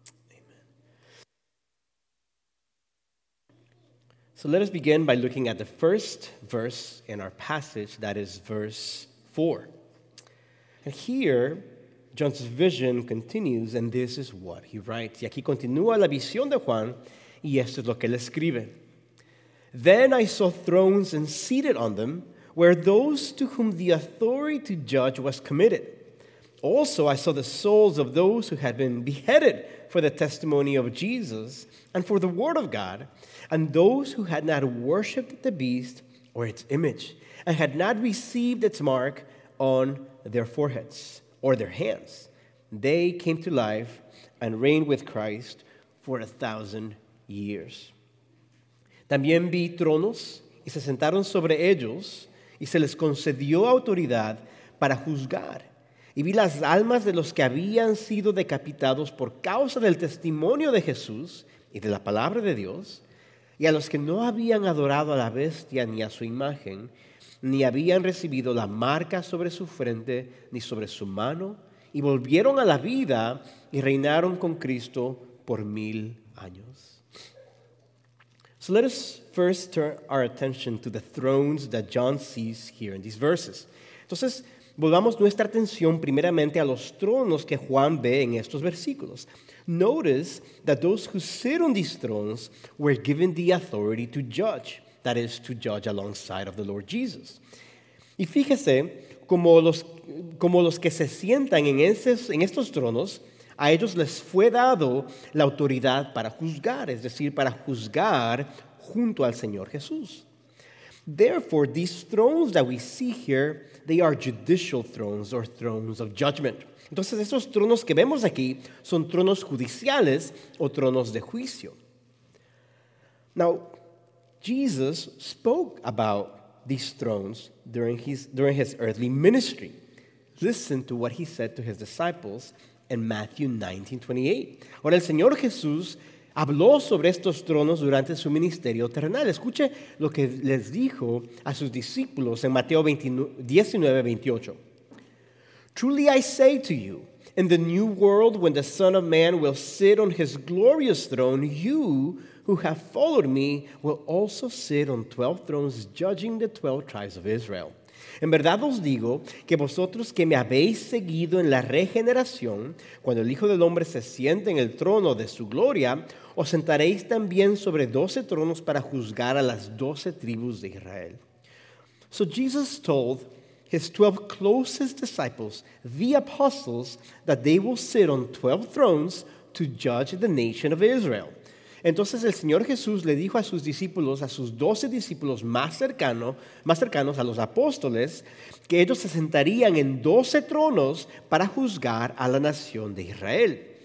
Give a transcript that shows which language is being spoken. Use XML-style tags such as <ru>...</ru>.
<en>Amen. So let us begin by looking at the first verse in our passage, that is verse 4. And here, John's vision continues, and this is what he writes.</en> <es>Y aquí continúa la visión de Juan, y esto es lo que él escribe.</es> <en>Then I saw thrones and seated on them were those to whom the authority to judge was committed. Also I saw the souls of those who had been beheaded for the testimony of Jesus and for the word of God, and those who had not worshipped the beast or its image and had not received its mark on their foreheads or their hands. They came to life and reigned with Christ for 1,000 years.</en> <es>También vi tronos y se sentaron sobre ellos y se les concedió autoridad para juzgar. Y vi las almas de los que habían sido decapitados por causa del testimonio de Jesús y de la palabra de Dios, y a los que no habían adorado a la bestia ni a su imagen, ni habían recibido la marca sobre su frente ni sobre su mano, y volvieron a la vida y reinaron con Cristo por 1,000 años.</es> <en>So let us first turn our attention to the thrones that John sees here in these verses.</en> <es>Entonces, volvamos nuestra atención primeramente a los tronos que Juan ve en estos versículos.</es> <en>Notice that those who sit on these thrones were given the authority to judge, that is, to judge alongside of the Lord Jesus.</en> <es>Y fíjese, como los que se sientan en estos tronos, a ellos les fue dado la autoridad para juzgar, es decir, para juzgar junto al Señor Jesús.</es> <en>Therefore, these thrones that we see here, they are judicial thrones or thrones of judgment.</en> <es>Entonces, estos tronos que vemos aquí son tronos judiciales o tronos de juicio.</es> <en>Now, Jesus spoke about these thrones during his earthly ministry. Listen to what he said to his disciples in Matthew 19:28.</en> <es>Ahora, el Señor Jesús habló sobre estos tronos durante su ministerio terrenal. Escuche lo que les dijo a sus discípulos en Mateo 19:28.</es> <en>Truly I say to you, in the new world, when the Son of Man will sit on his glorious throne, you who have followed me will also sit on 12 thrones, judging the 12 tribes of Israel.</en> <es>En verdad os digo que vosotros que me habéis seguido en la regeneración, cuando el Hijo del Hombre se siente en el trono de su gloria, os sentaréis también sobre 12 tronos para juzgar a las 12 tribus de Israel.</es> <en>So Jesus told his 12 closest disciples, the apostles, that they will sit on 12 thrones to judge the nation of Israel.</en> <es>Entonces el Señor Jesús le dijo a sus discípulos, a sus 12 discípulos más cercanos a los apóstoles, que ellos se sentarían en 12 tronos para juzgar a la nación de Israel.</es>